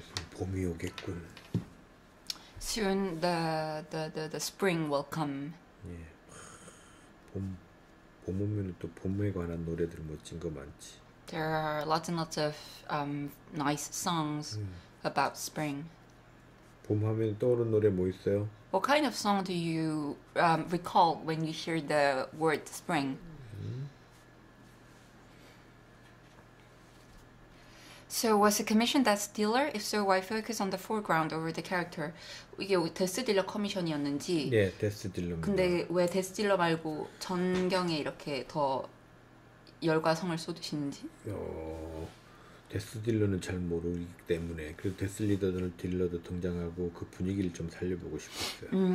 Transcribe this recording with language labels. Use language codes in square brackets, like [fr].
[ko] 봄이 오겠군. [en] Soon the spring will come. [ko] 봄 오면 또 봄에 관한 노래들 멋진 거 많지. [en] There are lots and lots of nice songs about spring. [ko] 봄 하면 떠오르는 노래 뭐 있어요? [en] What kind of song do you recall when you hear the word spring? So was it commissioned as Stiller? If so, why focus on the foreground over the character? [ko] 이게 데스딜러 커미션이었는지. 예, 데스딜러입니다. 근데 왜 데스딜러 말고 전경에 이렇게 더 열과 성을 쏟으시는지? 데스딜러는 잘 모르기 때문에, 그래도 데스딜러도 등장하고 그 분위기를 좀 살려보고 싶었어요.